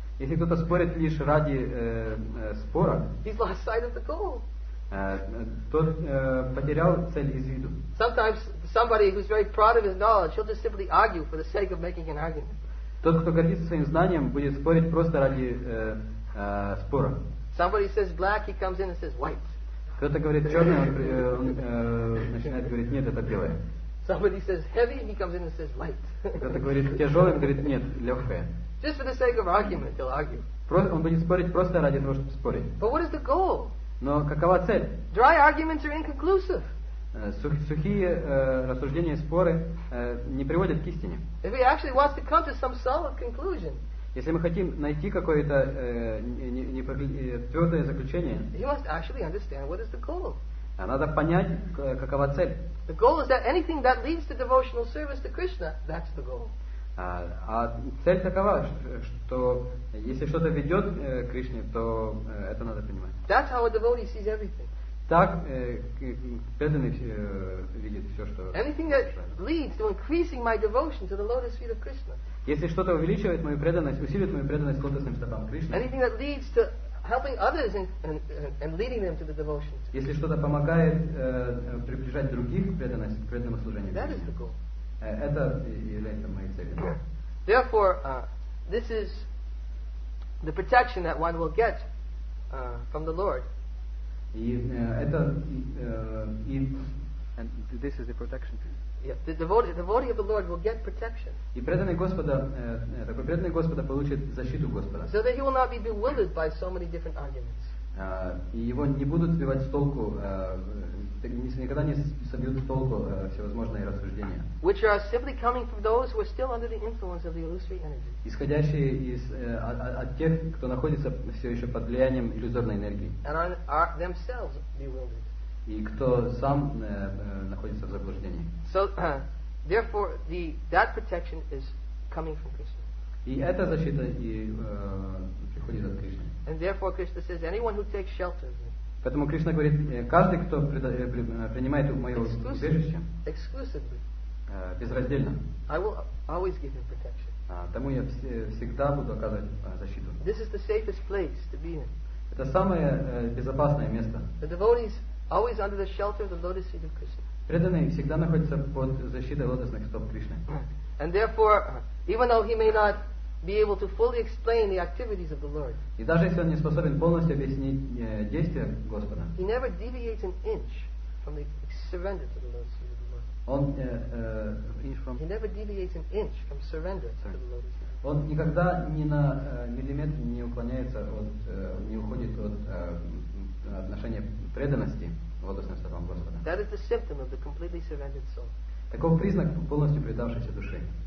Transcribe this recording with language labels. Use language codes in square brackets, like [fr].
[ru] Если кто-то спорит лишь ради спора. [en] He's lost sight of the goal. [ru] Тот потерял цель из виду. [en] Sometimes somebody who's very proud of his knowledge, he'll just simply argue for the sake of making an argument. [ru] Тот, кто гордится своим знанием, будет спорить просто ради спора. [en] Somebody says black, he comes in and says white. [ru] Кто-то говорит черный, он начинает говорить нет, это белое. [en] Somebody says heavy, he comes in and says light. [ru] Кто-то говорит тяжелый, он говорит нет, легкое. [en] Just for the sake of argument, he'll argue. [ru] Он будет спорить просто ради того, чтобы спорить. [en] But what is the goal? [ru] Но какова цель? [en] Dry arguments are inconclusive. [ru] Сухие рассуждения, споры не приводят к истине. [en] If he actually wants to come to some solid conclusion. [ru] Если мы хотим найти какое-то твердое заключение. [en] He must actually understand what is the goal. [ru] Надо понять, какова цель. [en] The goal is that anything that leads to devotional service to Krishna, that's the goal. [ru] А цель такова, что если что-то ведет к Кришне, то это надо понимать. [en] That's how a devotee sees everything. [ru] Так преданный видит все, что. [en] Anything that leads to increasing my devotion to the lotus feet of Krishna. [ru] Если что-то увеличивает мою преданность, усиливает мою преданность к лотосным стопам Кришны. [en] Anything that leads to helping others and leading them to the devotion. [ru] Если что-то помогает приближать других к преданности, к преданному служению. [en] That is the goal. [ru] Это является моей целью. [en] Therefore, this is the protection that one will get from the Lord. And this is the protection. The devotee of the Lord will get protection. [ru] И преданный Господа, преданный Господа получит защиту Господа. [en] So that he will not be bewildered by so many different arguments. [ru] И его не будут сбивать с толку, никогда не собьют с толку всевозможные рассуждения. [en] Which are simply coming from those who are still under the influence of the illusory energy. [ru] Исходящие из от тех, кто находится все еще под влиянием иллюзорной энергии. [en] And are themselves bewildered. [ru] И кто сам находится в заблуждении. [en] So, therefore, that protection is coming from Krishna. [ru] И эта защита и приходит от Кришны. [en] And therefore, Krishna says, anyone who takes shelter. [ru] Поэтому Кришна говорит, каждый, кто принимает мое убежище, [en] exclusively, [ru] безраздельно, [en] I will always give him protection. [ru] Тому я всегда буду оказывать защиту. [en] This is the safest place to be in. [ru] Это самое безопасное место. [en] The devotees always under the shelter of the lotus feet of Krishna. [ru] Преданный всегда находится под защитой лотосных стоп Кришны. [en] And therefore, even though he may not be able to fully explain the activities of the Lord, [ru] и даже если он не способен полностью объяснить действия Господа, [en] he never deviates an inch from the surrender to the lotus feet of the Lord. He never deviates an inch from surrender to the lotus feet. [ru] Он никогда ни на миллиметр не уклоняется от, не уходит от отношения преданности лотосным стопам Господа. [en] That is the symptom of the completely surrendered soul. [ru] Таков признак полностью предавшейся души.